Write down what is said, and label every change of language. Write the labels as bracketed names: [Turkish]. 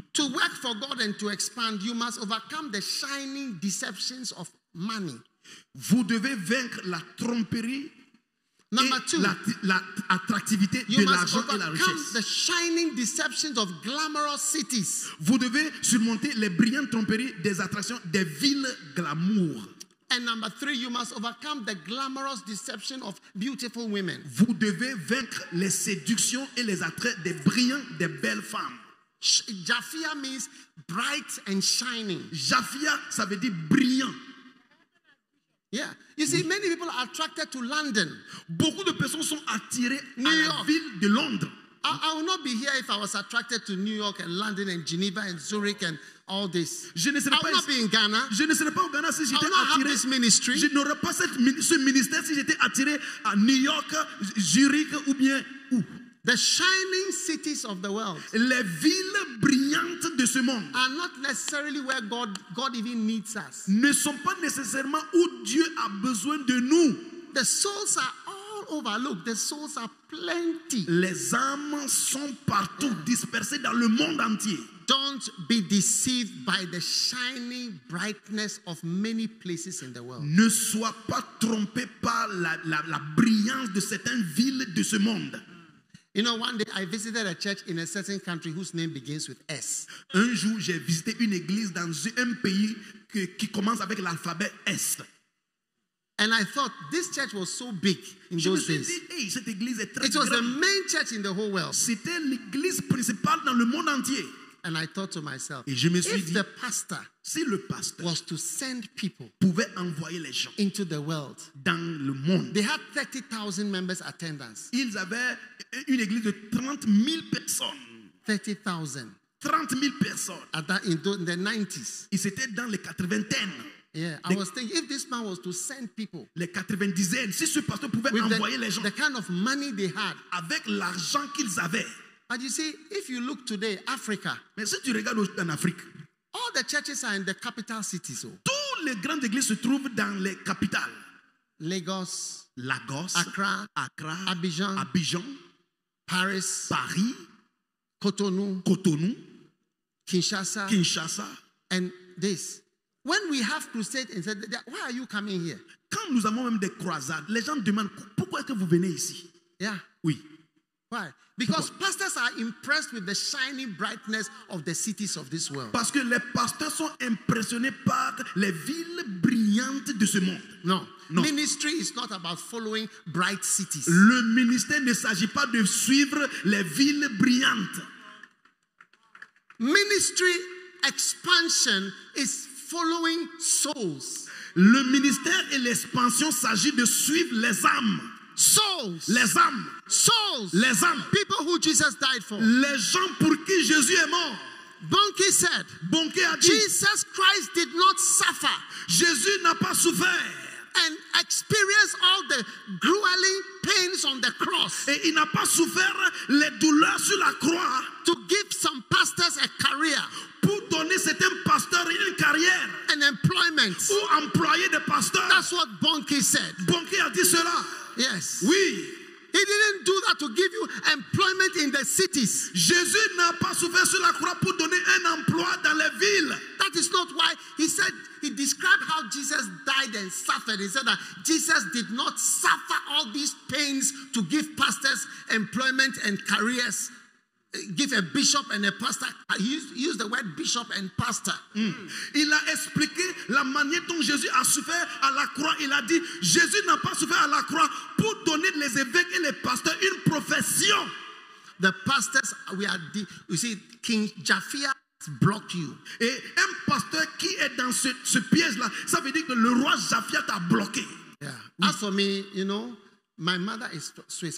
[English] To work for God and to expand, you must overcome the shining deceptions of money. [French] Vous devez vaincre la tromperie. [English] Number two. [French] L'attractivité de l'argent et la richesse. [English] You must overcome the shining deceptions of glamorous cities. [French] Vous devez surmonter les brillantes tromperies des attractions des villes glamour. [English] And number three, you must overcome the glamorous deception of beautiful women. [French] Vous devez vaincre les séductions et les attraits des brillantes, des belles femmes. [English] Japhia means bright and shining. [French] Japhia, ça veut dire brillant. [English] Yeah. You see, many people are attracted to London. [French] Beaucoup de personnes sont attirées New à York. La ville de Londres. [English] I would not be here if I was attracted to New York and London and Geneva and Zurich and all this. [French] Je ne serais [English] I would [French] pas [English] not be in Ghana. [French] Je ne serais pas au Ghana si j'étais [English] I would not [French] attiré. [English] Have this ministry. [French] Je n'aurais pas ce ministère si j'étais attiré à New York, Zurich ou bien où. [English] The shining cities of the world. [French] Les villes brillantes de ce monde. [English] Are not necessarily where God even needs us. [French] Ne sont pas nécessairement où Dieu a besoin de nous. [English] The souls are all over. Look, the souls are plenty. [French] Les âmes sont partout, dispersées dans le monde entier. [English] Don't be deceived by the shining brightness of many places in the world. [French] Ne sois pas trompé par la brillance de certaines villes de ce monde. [English] You know, one day I visited a church in a certain country whose name begins with S. [French] Un jour, j'ai visité une église dans un pays qui commence avec l'alphabet S. [English] And I thought this church was so big in those days. [French] Cette église est très grande. [English] It was the main church in the whole world. [French] C'était l'église principale dans le monde entier. [English] And I thought to myself, [French] et je me suis [English] if [French] dit, [English] the pastor, [French] si le pastor [English] was to send people [French] pouvait envoyer les gens [English] into the world, [French] dans le monde, [English] they had 30,000 members attendance. [French] Ils avaient une église de 30 000 personnes. [English] 30,000. [French] 30 000 personnes. [English] At that, in the 90s. [French] Et c'était dans les 90s. [English] Yeah, I was thinking if this man was to send people. [French] Les 90 ans, si ce pasteur pouvait envoyer les gens. [English] The kind of money they had. [French] Avec l'argent qu'ils avaient. [English] But you see, if you look today, Africa. [French] Mais si tu regardes en Afrique, [English] all the churches are in the capital cities. Oh. [French] Toutes les grandes églises se trouvent dans les capitales. Lagos. Lagos. Accra. Abidjan. Abidjan. Paris. Paris. [English] Cotonou. Kinshasa. And this. When we have crusade, and said, why are you coming here? [French] Quand nous avons même des croisades, les gens demandent, pourquoi est-ce que vous venez ici? [English] Yeah. [French] Oui. [English] Why? Because pastors are impressed with the shining brightness of the cities of this world. [French] Parce que les pasteurs sont impressionnés par les villes brillantes de ce monde. [English] No. Ministry is not about following bright cities. [French] Le ministère ne s'agit pas de suivre les villes brillantes. [English] Ministry expansion is following souls. [French] Le ministère et l'expansion s'agit de suivre les âmes. [English] Souls. [French] Les âmes. [English] Souls. [French] Les âmes. [English] People who Jesus died for. [French] Les gens pour qui Jésus est mort. [English] Bonke said. [French] Bonke a dit. [English] Jesus Christ did not suffer. [French] Jésus n'a pas souffert. [English] And experienced all the grueling pains on the cross. [French] Et il n'a pas souffert les douleurs sur la croix. [English] To give some pastors a career. [French] Pour donner certains pasteurs une carrière. [English] An employment. [French] Ou employer des pasteurs. [English] That's what Bonke said. [French] Bonke a dit cela. [English] Yes. [French] Oui. [English] He didn't do that to give you employment in the cities. [French] Jésus n'a pas souffert sur la croix pour donner un emploi dans les villes. [English] That is not why he said, he described how Jesus died and suffered. He said that Jesus did not suffer all these pains to give pastors employment and careers. Give a bishop and a pastor. He used the word bishop and pastor. [French] Il a expliqué la manière dont Jésus a souffert à la croix. Il a dit, Jésus n'a pas souffert à la croix pour donner les évêques et les pasteurs une profession. [English] The pastors, you see, King Japhia has blocked you. [French] Et un pasteur qui est dans ce piège-là, ça veut dire que le roi Japhia t'a bloqué. [English] Yeah. As for me, you know, my mother is Swiss.